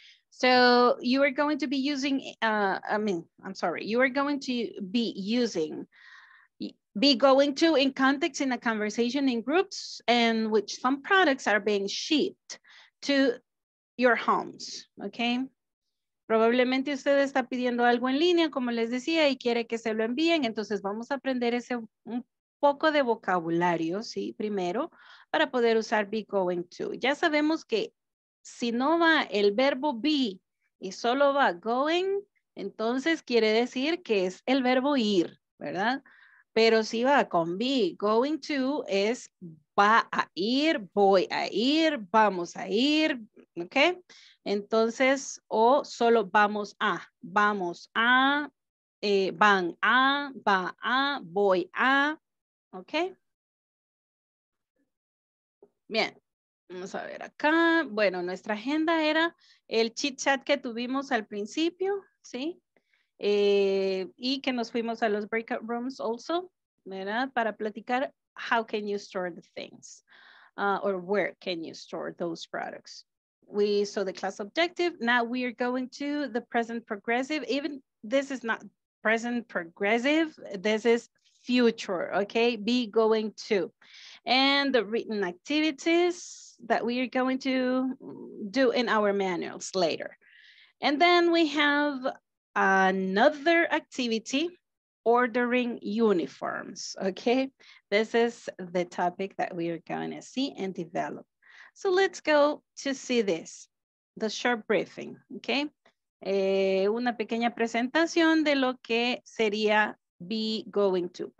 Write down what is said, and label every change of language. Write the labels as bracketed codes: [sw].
[en] So you are going to be using, you are going to be using be going to in context in a conversation in groups in which some products are being shipped to your homes, okay? [es] Probablemente usted está pidiendo algo en línea, como les decía, y quiere que se lo envíen. Entonces vamos a aprender ese un poco de vocabulario, ¿sí? Primero, para poder usar be going to. Ya sabemos que si no va el verbo be y solo va going, entonces quiere decir que es el verbo ir, ¿verdad? Pero si va con be, going to es va a ir, voy a ir, vamos a ir, ¿ok? Entonces, o solo vamos a, van a, va a, voy a, ¿ok? Bien, vamos a ver acá. Bueno, nuestra agenda era el chit chat que tuvimos al principio, ¿sí? Y que nos fuimos a los breakout rooms also, ¿verdad? Para platicar [en] how can you store the things or where can you store those products. We saw the class objective. Now we are going to the present progressive. Even this is not present progressive. This is future, okay? Be going to. And the written activities that we are going to do in our manuals later. And then we have another activity, ordering uniforms, okay? This is the topic that we are going to see and develop. So let's go to see this, the short briefing, okay? [es] Una pequeña presentación de lo que sería be going to.